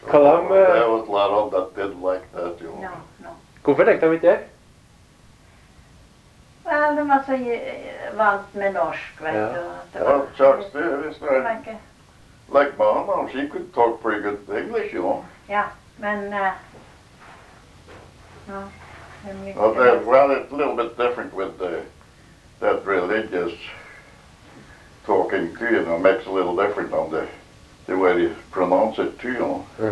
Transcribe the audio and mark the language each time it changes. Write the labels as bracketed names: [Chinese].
[English] There was a lot of that didn't like that, you know. No. [Norwegian] Hvorfor likte de ikke det? Well, de var så vant med norsk, vet du. Well, Charles, det er visst det. [English] Like my mom, she could talk pretty good English, you know. [Norwegian] Ja, men... [English] Well, it's a little bit different with that religious talking too, you know, makes a little different on the way they pronounce it too, you know.